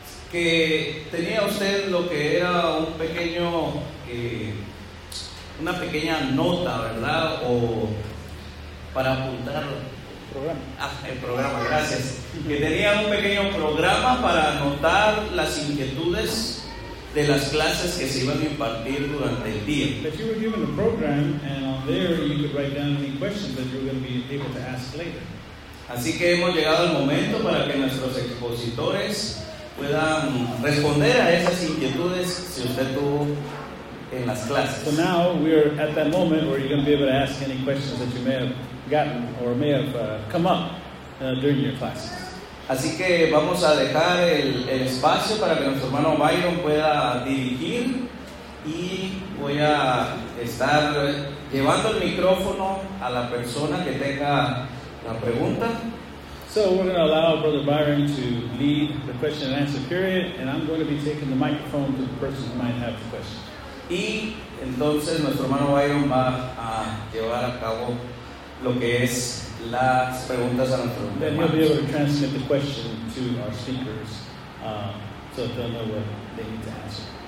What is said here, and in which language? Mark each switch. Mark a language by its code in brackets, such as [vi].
[es] que tenía usted lo que era un pequeño una pequeña nota, ¿verdad? O para apuntar el programa, gracias. Que tenía un pequeño programa para anotar las inquietudes de las clases que se iban a impartir durante el día. [en] But you were given a program, and on there you could write down any questions that you're going to be able to ask later. [es] Así que hemos llegado al momento para que nuestros expositores puedan responder a esas inquietudes si usted tuvo en las clases. [en] So now we are at that moment where you're going to be able to ask any questions that you may have gotten or may have come up during your classes. [es] Así que vamos a dejar el espacio para que nuestro hermano Byron pueda dirigir y voy a estar llevando el micrófono a la persona que tenga la pregunta. [en] So we're going to allow Brother Byron to lead the question and answer period, and I'm going to be taking the microphone to the person who might have the question. [es] Y entonces nuestro hermano Byron va a llevar a cabo lo que es las preguntas a nuestro hermano. [en] Then he'll be able to transmit the question to our speakers so that they'll know what they need to answer.